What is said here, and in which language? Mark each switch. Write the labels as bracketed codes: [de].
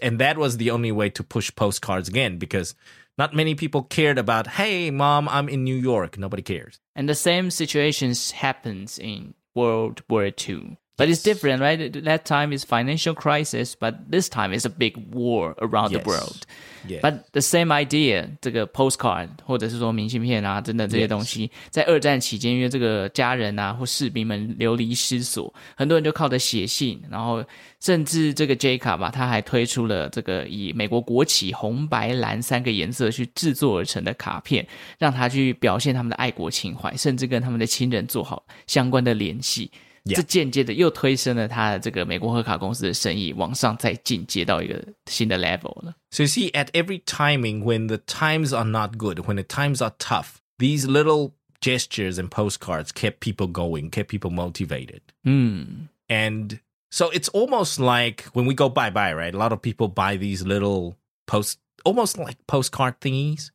[en] And that was the only way to push postcards again because... Not many people cared about, hey, mom, I'm in New York. Nobody cares. And the same situation happens in World War II. But yes. It's different, right? That time is financial crisis, but this time is a big war around the world. Yes. But the same idea, [zh] 这个 postcard, 或者是说明信片啊等等这些东西、yes. 在二战期间因为这个家人啊或士兵们流离失所很多人就靠着写信然后甚至这个 Jacob 啊他还推出了这个以美国国旗红白蓝三个颜色去制作而成的卡片让他去表现他们的爱国情怀甚至跟他们的亲人做好相关的联系。 [en] Yeah. [zh] 这间接的又推升了他这个美国贺卡公司的生意往上再进阶到一个新的 level 了。 [en] So you see, at every timing, when the times are not good, when the times are tough, these little gestures and postcards kept people going, kept people motivated. And so it's almost like when we go bye-bye, right? A lot of people buy these little almost like postcard thingies.